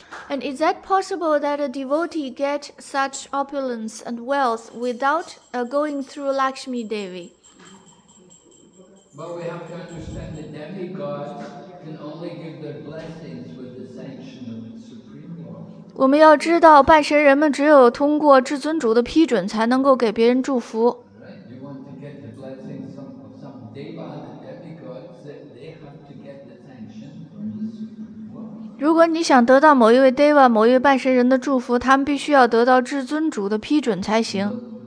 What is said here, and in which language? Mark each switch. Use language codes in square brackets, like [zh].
[en] And is that possible that a devotee get such opulence and wealth without going through Lakshmi Devi? But we have to understand that demigods can only give their blessings with the sanction of the Supreme Lord. [zh] 我们要知道，半神人们只有通过至尊主的批准，才能够给别人祝福。 [en] Right? You want to get the blessings of some deva, the demigods, they have to get the sanction from the Supreme Lord. [zh] 如果你想得到某一位 deva, 某一位半神人的祝福，他们必须要得到至尊主的批准才行。